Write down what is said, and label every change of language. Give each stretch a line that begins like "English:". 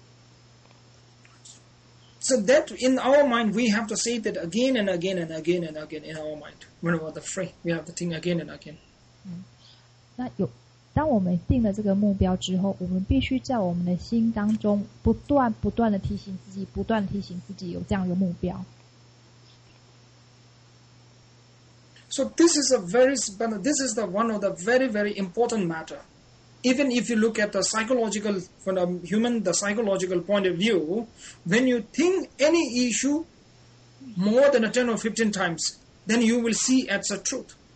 Chinese: 让我们立下一个目标，朝这个目标前进，就是我们终将可以克服我们所有的烦恼。So
English: that in our mind, we have to say that again and again and again and again in our mind. Whenever the free, we have to think again and again.
Chinese: 当我们定了这个目标之后，我们必须在我们的心当中不断的提醒自己，有这样一个目标。
English: So this is the one of the very, very important matter. Even if you look at the psychological, from the human, the psychological point of view, when you think any issue more than 10 or 15 times, then you will see as a truth.